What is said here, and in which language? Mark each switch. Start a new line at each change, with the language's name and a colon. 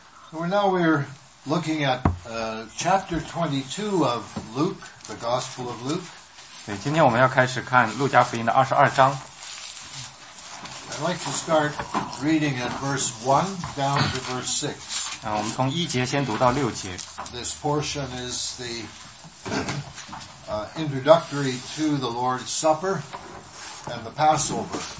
English: So now we're looking at chapter 22 of Luke, the Gospel of Luke.
Chinese: 对，今天我们要开始看路加福音的22章。
English: I'd like to start reading at verse 1 down to verse 6.
Chinese: 我们从一节先读到六节。
English: This portion is the introductory to the Lord's Supper and the Passover.